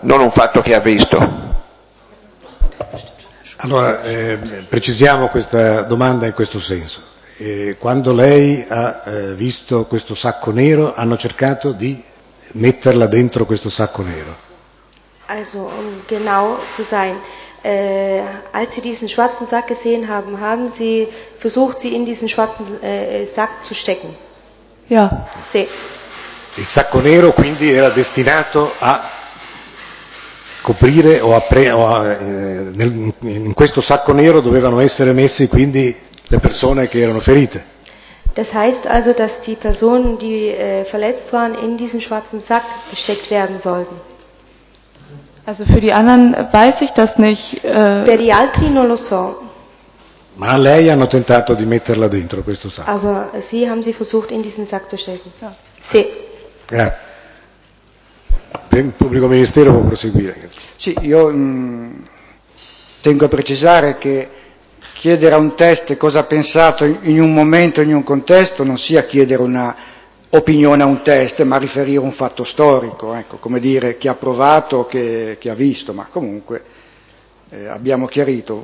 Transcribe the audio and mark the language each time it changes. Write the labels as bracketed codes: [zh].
[it] Non un fatto che ha visto. Allora, precisiamo questa domanda in questo senso. Quando lei ha visto questo sacco nero, hanno cercato di metterla dentro questo sacco nero? [de] Also, um genau zu sein. Als Sie diesen schwarzen Sack gesehen haben, haben Sie versucht, sie in diesen schwarzen Sack zu stecken? Ja. [it] Sì. Il sacco nero, quindi, era destinato a coprire o, in questo sacco nero dovevano essere messi quindi le persone che erano ferite. [de] Das heißt also, dass die Personen, die verletzt waren, in diesen schwarzen Sack gesteckt werden sollten. Also für die anderen weiß ich das nicht. [it] Per gli altri non lo so. Ma lei hanno tentato di metterla dentro questo sacco. [de] Aber sie haben sie versucht in diesen Sack zu stecken. Ja. [it] Sì. Grazie. Il pubblico ministero può proseguire. Sì, io tengo a precisare che chiedere a un test cosa ha pensato in un momento, in un contesto, non sia chiedere una opinione a un test, ma riferire un fatto storico, ecco, come dire chi ha provato, chi ha visto, ma comunque abbiamo chiarito.